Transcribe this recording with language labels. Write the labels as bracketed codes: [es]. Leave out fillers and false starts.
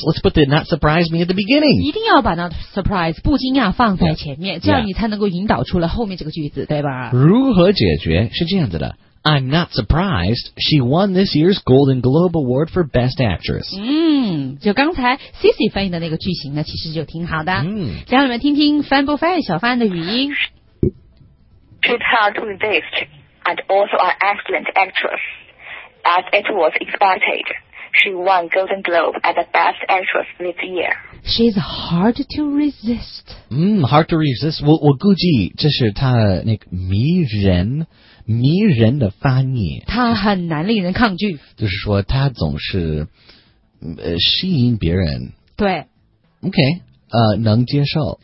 [en] Let's put the not surprise me at the beginning. [zh] 一定要把 [en] not surprise [zh] 不惊讶放在前面，这样你才能够引导出了后面这个句子，对吧？如何解决？是这样子的。 [en] I'm not surprised she won this year's Golden Globe Award for Best Actress. [zh] 嗯，就刚才 Cici 翻译的那个句型呢，其实就挺好的。嗯，让你们听听翻不翻小翻的语音。 [en] She's hard to resist and also an excellent actress. As it was expected, she won Golden Globe as the best actress this year. She's hard to resist. Hard to resist. [zh] 我估计这是她那个迷人的发音。她很难令人抗拒。就是说，她总是吸引别人。对。 OK。 能接受，